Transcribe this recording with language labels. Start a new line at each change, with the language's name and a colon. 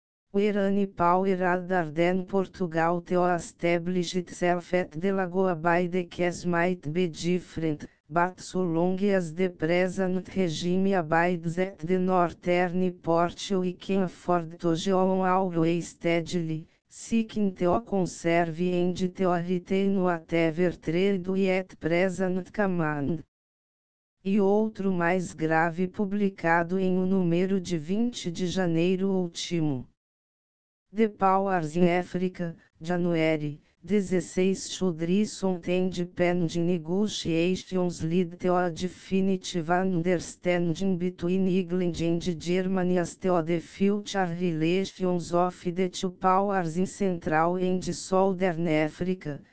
English: Where any power other than Portugal to establish itself at the Lagoa by the case might be different, but so long as the present regime abides at the northern port we can afford to go on always steadily, seeking to conserve and to retain whatever trade we at present command.
Portuguese: E outro mais grave publicado em o número de 20 de janeiro último.
English: The Powers in Africa, January, 16 should resume the pending negotiations lead to a definitive understanding between England and Germany as to the future relations of the two powers in Central and Southern Africa.